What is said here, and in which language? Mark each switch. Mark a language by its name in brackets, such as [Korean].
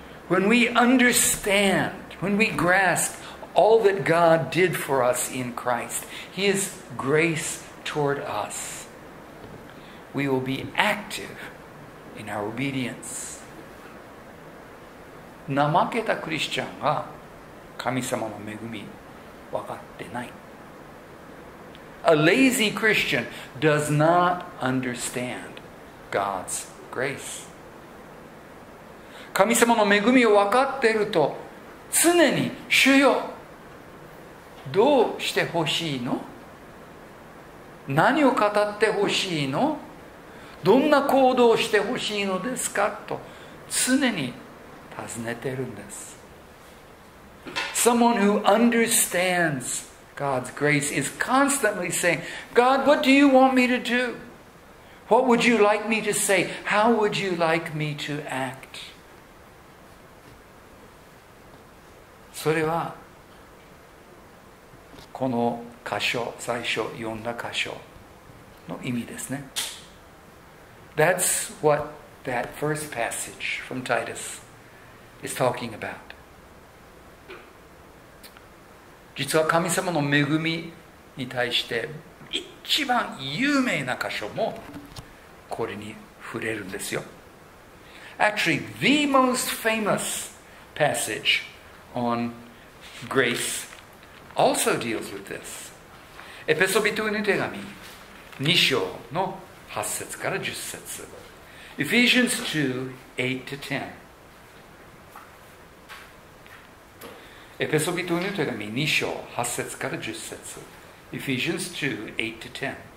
[English] When we understand, when we grasp all that God did for us in Christ, His grace toward us, we will be active in our obedience. [Japanese] 怠けたクリスチャンが神様の恵み分かってない。 [English] A lazy Christian does not understand God's grace. [Japanese] 神様の恵みを分かっていると常に主よどうしてほしいの何を語ってほしいのどんな行動をしてほしいのですかと常に尋ねているんです。 [English] Someone who understandsGod's grace is constantly saying, God, what do you want me to do? What would you like me to say? How would you like me to act? [Japanese] それはこの箇所、最初読んだ箇所の意味ですね。 [English] That's what that first passage from Titus is talking about. [Japanese] 実は神様の恵みに対して一番有名な箇所もこれに触れるんですよ。 [English] Actually, the most famous passage on grace also deals with this. [Japanese] エペソ人への手紙2章の8節から10節。 [English] Ephesians 2:8 to 10. [Japanese] エペソ人への手紙2章8節から10節 [English] Ephesians 2:8 to 10